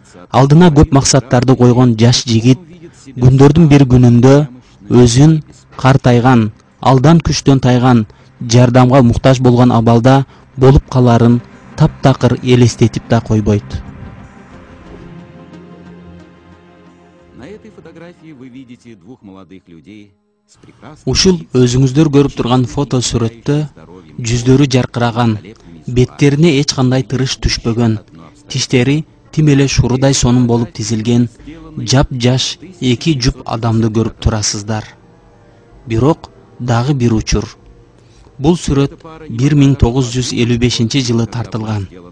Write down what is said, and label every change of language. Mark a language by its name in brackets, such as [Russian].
[Kyrgyz] Алдына көп максаттарды койгон жаш жигит күндөрдүн бир күнүндө өзүн картайган, алдан күчтөн тайган, жардамга муктаж болгон абалда болуп каларын таптакыр элестетип да койбойт. [Russian] На этой фотографии вы видите двух молодых людей. [Kyrgyz] Ушул өзүңүздөр көрүп турган фото сүрөттө жүздөрү жаркыраган, беттерине эч кандай тырыш түшпөгөн, тиштери тим эле шурудай сонун болуп тизилген жап-жаш эки жуп адамды көрүп турасыздар. Бирок дагы бир учур. Бул сүрөт 1955 жылы тартылган.